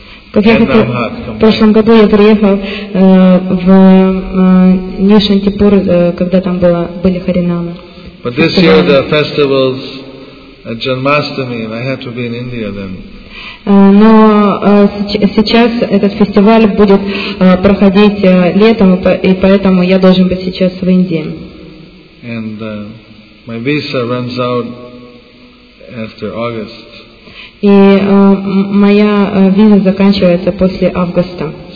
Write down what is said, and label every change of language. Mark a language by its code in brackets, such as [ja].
[ru] В прошлом году я приехал в Нишантипур, когда там были харинамы. [en] But this year the festival's at Janmashtami, and I have to be in India then. [ru] Но сейчас этот фестиваль будет проходить летом, и поэтому я должен быть сейчас в Индии. [en] And my visa runs out after August. [ru] И моя виза заканчивается после августа.